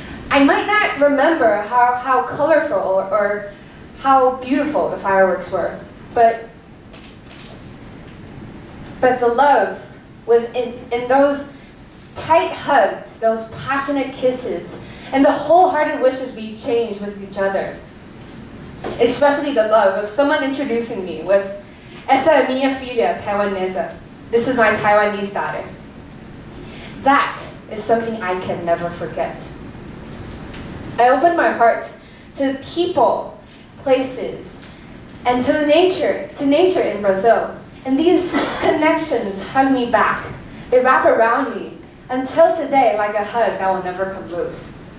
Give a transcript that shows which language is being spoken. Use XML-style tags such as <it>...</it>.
<en>I might not remember how colorful or how beautiful the fireworks were, but the love in those tight hugs, those passionate kisses, and the wholehearted wishes we exchange with each other. Especially the love of someone introducing me with</en> <pt>Essa é minha filha Taiwanesa.</pt> <en>This is my Taiwanese daughter. That is something I can never forget. I opened my heart to people, places, and to nature in Brazil. And these connections hug me back. They wrap around me until today like a hug that will never come loose.</en>